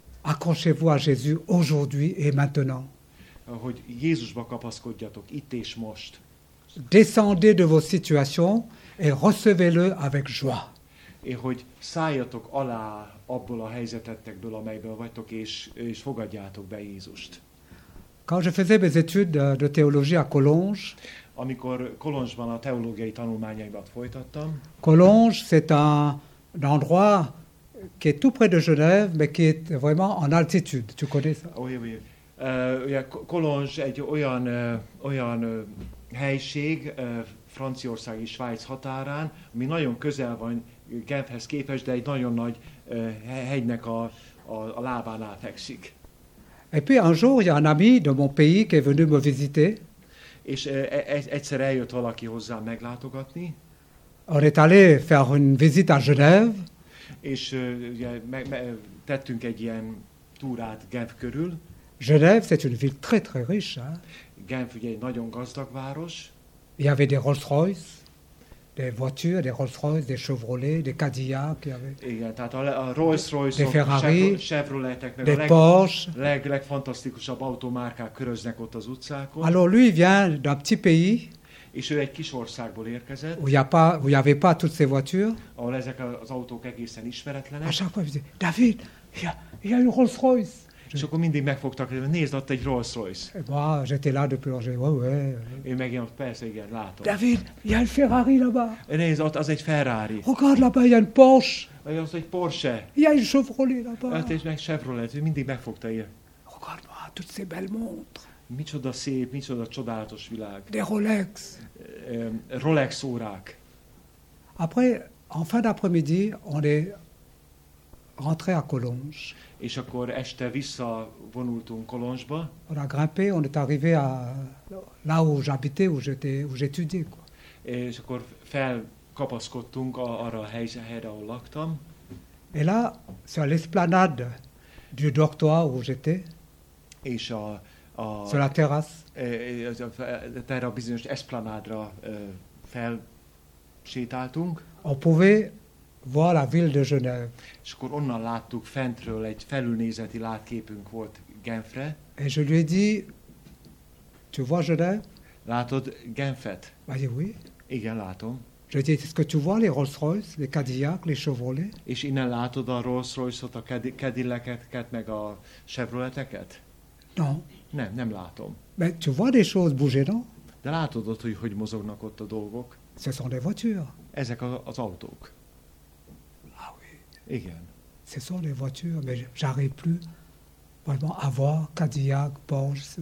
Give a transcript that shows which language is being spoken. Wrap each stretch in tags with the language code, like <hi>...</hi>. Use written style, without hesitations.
<fr>Accrochez-vous à Jésus aujourd'hui et maintenant.</fr> <hu>Hogy Jézusba kapaszkodjatok itt és most.</hu> <fr>Descendez de vos situations et recevez-le avec joie.</fr> <hu>És hogy szálljatok alá abból a helyzetetekből, amelyből vagytok, és fogadjátok be Jézust.</hu> <fr>Quand je faisais mes études de théologie à Collonges,</fr> <hu>amikor Kolozsban a teológiai tanulmányaimat folytattam,</hu> <fr>Collonges, c'est un endroit qui est tout près de Genève, mais qui est vraiment en altitude. Tu connais ça? Oui.</fr> <hu>Kolozs egy olyan helység Franciaország és Svájc határán, ami nagyon közel van Genfhez képest, de egy nagyon nagy hegynek a lábánál fekszik.</hu> <fr>Et puis un jour, il y a un ami de mon pays qui est venu me visiter.</fr> <hu>És egyszer eljött valaki hozzá meglátogatni.</hu> <fr>On est allé faire une visite à Genève.</fr> <hu>És ugye, tettünk egy ilyen túrát Genf körül.</hu> <fr>Genève, c'est une ville très très riche. Hein?</fr> <hu>Genf ugye, egy nagyon gazdag város.</hu> <fr>Il y avait des Rolls-Royce, des voitures, des Rolls-Royce, des Chevrolet, des Cadillac. Il y avait.</fr> <hu>Igen, tehát a Rolls-Royce,</hu> <fr>des Ferrari,</fr> <hu>Chevroletek,</hu> <fr>des Porsche.</fr> <hu>Legfantasztikusabb automárkák köröznek ott az utcákon.</hu> <fr>Alors lui vient d'un petit pays.</fr> <hu>És ő egy kis országból érkezett.</hu> <fr>Où il y avait pas toutes ces voitures.</fr> <hu>Ahol ezek az autók egészen ismeretlenek.</hu> <fr>À chaque fois, David, il y a une Rolls-Royce.</fr> <hu>És akkor mindig megfogtak, hogy nézd, ott egy Rolls-Royce.</hu> <fr>Eh bah, j'étais là depuis longtemps. Ouais, ouais.</fr> <hu>Én meg ilyen, persze, igen, látom.</hu> <fr>David, il y a une Ferrari là-bas.</fr> <hu>Nézd, ott az egy Ferrari.</hu> <fr>Regarde là-bas, il y a une Porsche.</fr> <hu>Vagy az egy Porsche.</hu> <fr>Il y a une Chevrolet là-bas.</fr> <hu>Hát és meg Chevrolet, ő mindig megfogta ilyen.</hu> <fr>Regarde là, toutes ces belles montres.</fr> <hu>Micsoda szép, micsoda csodálatos világ.</hu> <fr>De Rolex.</fr> <hu>Rolex órák.</hu> <fr>Après, en fin d'après-midi, on est rentré à Collonges.</fr> <hu>És akkor este visszavonultunk Collonges-ba.</hu> <fr>On a grimpé, on est arrivé à là où j'habitais, où j'étudiais.</fr> <hu>És akkor felkapaszkodtunk arra a helyre, ahol laktam.</hu> <fr>Et là, sur l'esplanade du dortoir où j'étais.</fr> <hu>És a</hu> <fr>sur la terrasse.</fr> <hu>Erre a bizonyos esplanádra fel sétáltunk.</hu> <fr>On pouvait voir la ville de Genève.</fr> <hu>És akkor onnan láttuk fentről, egy felülnézeti látképünk volt Genfre.</hu> <fr>Et je lui ai dit, tu vois Genève?</fr> <hu>Látod Genfet? Vagy</hu> <fr>oui.</fr> <hu>Igen, látom.</hu> <fr>Je lui ai dit, est-ce que tu vois les Rolls-Royce, les Cadillac, les Chevrolet?</fr> <hu>És innen látod a Rolls-Royce-ot, a Cadillac-eket, meg a Chevroleteket?</hu> <fr>Non.</fr> <hu>Nem, nem látom.</hu> <fr>Mais tu vois des choses bouger, non?</fr> <hu>De látod ott, hogy mozognak ott a dolgok.</hu> <fr>Ce sont des voitures.</fr> <hu>Ezek az autók.</hu> <fr>Ah oui.</fr> <hu>Igen.</hu> <fr>Ce sont des voitures, mais j'arrive plus vraiment à voir Cadillac, Porsche.</fr>